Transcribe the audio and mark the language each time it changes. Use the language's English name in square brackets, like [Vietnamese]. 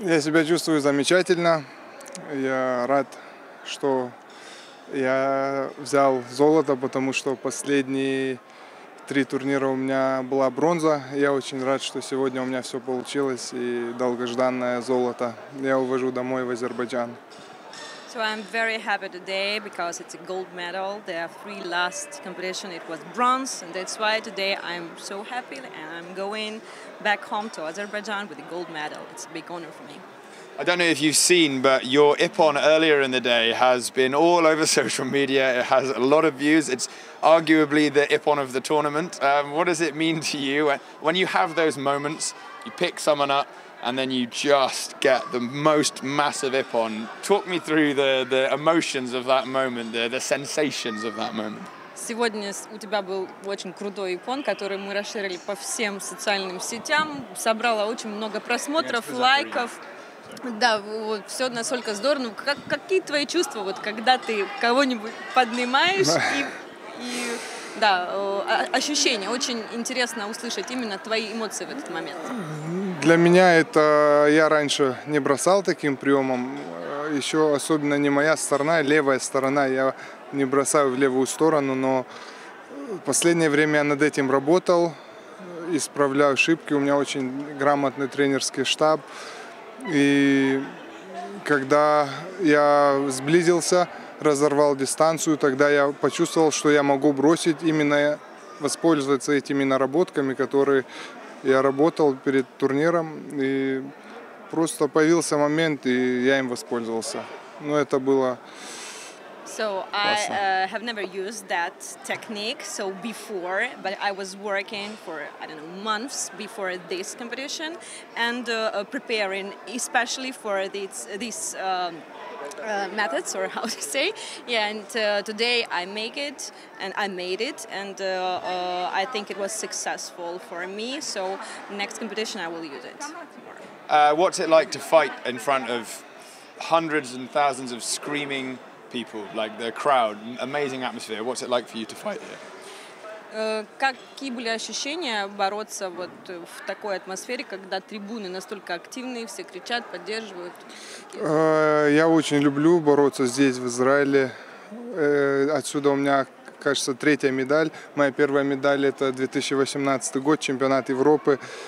[Russian] Я себя чувствую замечательно. Я рад, что я взял золото, потому что последние три турнира у меня была бронза. Я очень рад, что сегодня у меня все получилось и долгожданное золото. Я увожу домой в Азербайджан. [English] So I'm very happy today because it's a gold medal. The three last competition it was bronze, and that's why today I'm so happy and I'm going back home to Azerbaijan with a gold medal. It's a big honor for me. I don't know if you've seen, but your ippon earlier in the day has been all over social media. It has a lot of views. It's arguably the ippon of the tournament. What does it mean to you when you have those moments, you pick someone up and then you just get the most massive ippon? Talk me through the emotions of that moment, the sensations of that moment. [Russian] Сегодня у тебя был очень крутой ипон, который мы расширили по всем социальным сетям, собрала очень много просмотров, лайков. Да, вот все настолько здорово. Как, какие твои чувства, вот, когда ты кого-нибудь поднимаешь и да, ощущения? Очень интересно услышать именно твои эмоции в этот момент. Для меня это... Я раньше не бросал таким приемом. Еще особенно не моя сторона, левая сторона. Я не бросаю в левую сторону, но в последнее время я над этим работал. Исправляю ошибки. У меня очень грамотный тренерский штаб. И когда я сблизился, разорвал дистанцию, тогда я почувствовал, что я могу бросить, именно воспользоваться этими наработками, которые я работал перед турниром. И просто появился момент, и я им воспользовался. Но это было... [English] So I have never used that technique so before, but I was working for, I don't know, months before this competition and preparing especially for these methods, or how to say. Yeah, and today I make it, and I made it, and I think it was successful for me. So next competition I will use it. What's it like to fight in front of hundreds and thousands of screaming people, like the crowd, amazing atmosphere? What's it like for you to fight here? [Russian] Какие были ощущения бороться вот в такой атмосфере, когда трибуны настолько активные, все кричат, поддерживают? Я очень люблю бороться здесь, в Израиле. Отсюда у меня, кажется, третья медаль. Моя первая медаль — это 2018 год, чемпионат Европы.